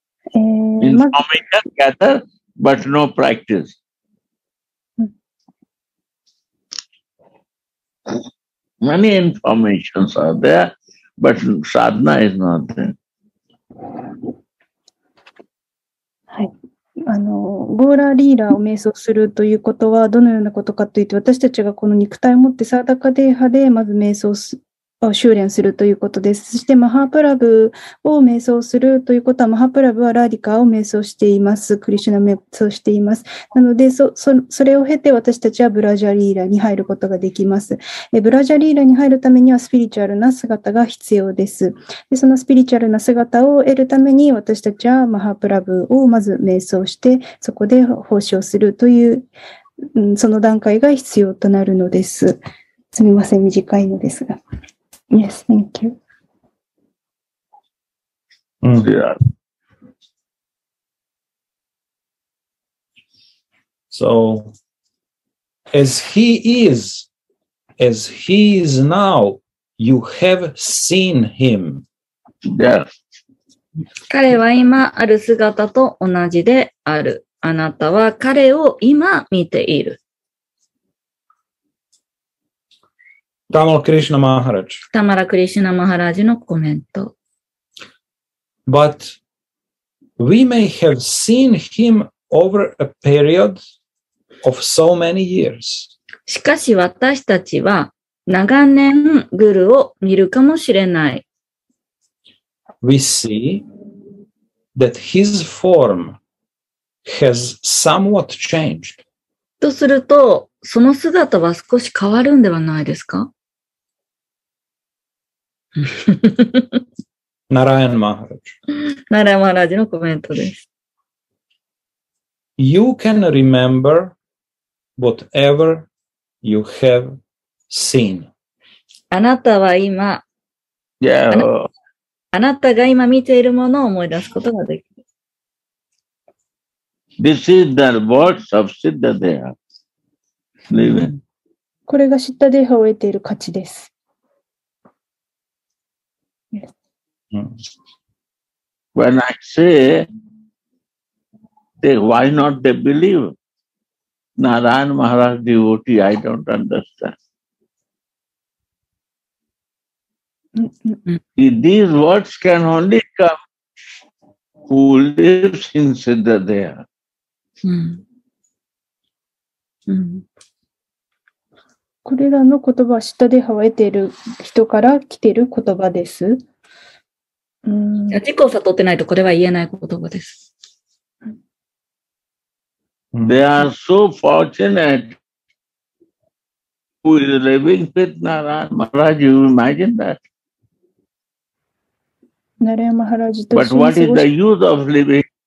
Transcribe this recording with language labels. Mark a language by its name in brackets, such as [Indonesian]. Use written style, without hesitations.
[English] Information gather, but no practice. Many informations are there, but sadhana is not there. [Japanese] ゴーラーリーラーを瞑想するということはどのようなことかといって、私たちがこの肉体を持ってサーダカデーハでまず瞑想を修練するということです。そしてマハプラブを瞑想するということは、マハプラブはラディカを瞑想しています、クリシュナを瞑想しています。なのでそれを経て私たちはブラジャリーラーに入ることができます。ブラジャリーラーに入るためにはスピリチュアルな姿が必要です。でそのスピリチュアルな姿を得るために、私たちはマハプラブをまず瞑想して、そこで奉仕をするという、その段階が必要となるのです。すみません、短いのですが。 [English] Yes, thank you. Yeah. So, as he is now, you have seen him. Yes. [Japanese] 彼は今ある姿と同じである。あなたは彼を今見ている。 [English] Tamala Krishna Maharaj [Japanese] のコメント。 [English] But we may have seen him over a period of so many years. [Japanese] しかし私たちは長年グルを見るかもしれない。 [English] We see that his form has somewhat changed. [Japanese] とすると、その姿は少し変わるんではないですか？ [English] Narayan Maharaj. [Japanese] Narayan Maharaj のコメントです。 [English] You can remember whatever you have seen. [Japanese] あなたは今 [English] Yeah. [Japanese] あなたが今見ているものを思い出すことができる。 [English] This is the words of Siddhadeha. [Japanese] これがシッダデーハを得ている価値です。 [English] When I say, they, why not they believe? Narayan Maharaj devotee, I don't understand. These words can only come who lives in Siddhadeha. [Japanese] これらの言葉はシッダデーハを得ている人から来ている言葉です。自己を悟ってないとこれは言えない言葉です。 [English] They are so fortunate who is living with Narayan Maharaj. You imagine that? [Japanese] Narayan Maharaj と [English] But what is the use of living?